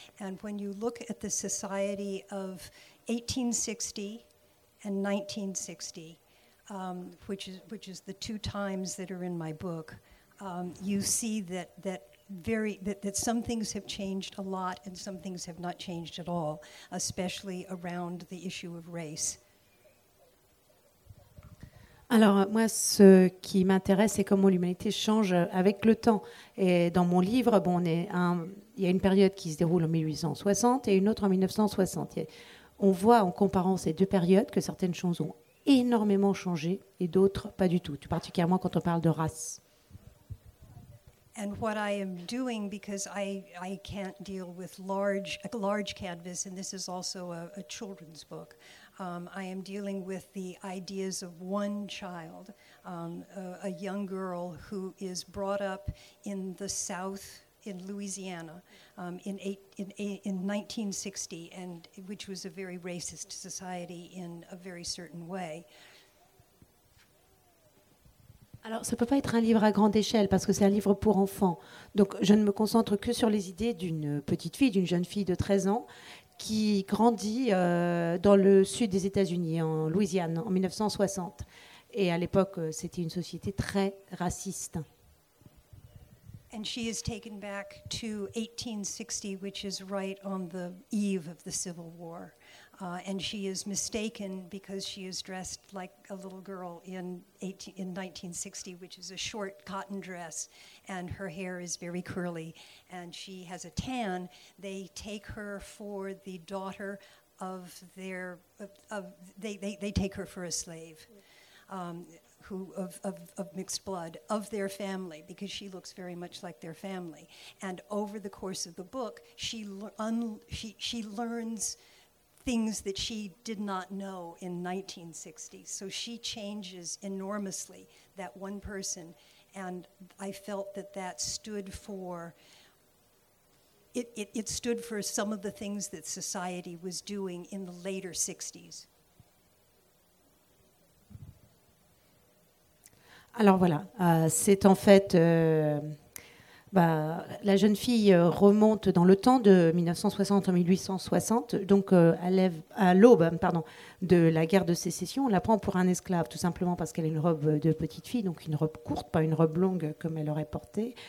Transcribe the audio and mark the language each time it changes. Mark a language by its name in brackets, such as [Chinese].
[English] And when you look at the society of 1860 and 1960, which is the two times that are in my book, you see that some things have changed a lot and some things have not changed at all, especially around the issue of race. [French] Alors moi, ce qui m'intéresse, c'est comment l'humanité change avec le temps. Et dans mon livre, il y a une période qui se déroule en 1860 et une autre en 1960. On voit en comparant ces deux périodes que certaines choses ont énormément changé et d'autres pas du tout, particulièrement quand on parle de race. [English] And what I am doing, because I can't deal with large canvas, and this is also a children's book, I am dealing with the ideas of one child, a young girl who is brought up in the South, in Louisiana, in 1960, and which was a very racist society in a very certain way. [French] Alors, ça ne peut pas être un livre à grande échelle parce que c'est un livre pour enfants. Donc, je ne me concentre que sur les idées d'une petite fille, d'une jeune fille de 13 ans qui grandit dans le sud des États-Unis, en Louisiane, en 1960. Et à l'époque, c'était une société très raciste. [English] And she is taken back to 1860, which is right on the eve of the Civil War. And she is mistaken because she is dressed like a little girl in 1960, which is a short cotton dress, and her hair is very curly, and she has a tan. They take her for the daughter of their, they take her for a slave, who of mixed blood of their family, because she looks very much like their family. And over the course of the book, she learns. Things that she did not know in 1960. So she changes enormously, that one person. And I felt that that stood for, it stood for some of the things that society was doing in the later 60s. [French] Alors voilà, c'est en fait, la jeune fille remonte dans le temps de 1960 en 1860, donc à l'aube de la guerre de sécession. On la prend pour un esclave, tout simplement parce qu'elle a une robe de petite fille, donc une robe courte, pas une robe longue comme elle aurait porté.